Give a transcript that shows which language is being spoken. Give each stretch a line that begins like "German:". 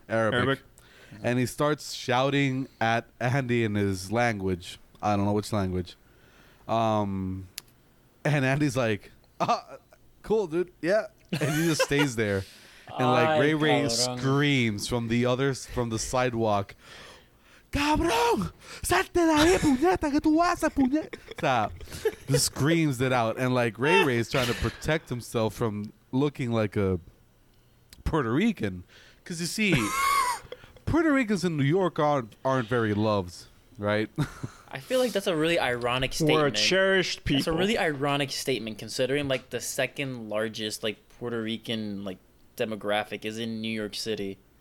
English: And he starts shouting at Andy in his language. I don't know which language. And Andy's like, cool, dude. Yeah. And he just stays there. And like Ray Ray screams from the sidewalk.
Spanish: Cabrón! Salte de ahí, puñeta, que tú vas a puñeta.
English: He screams it out. And like Ray Ray is trying to protect himself from looking like a Puerto Rican, because you see, Puerto Ricans in New York aren't very loved, right? I feel like that's a really ironic statement. We're a cherished people. It's a really ironic statement considering like the second largest like Puerto Rican like demographic is in New York City.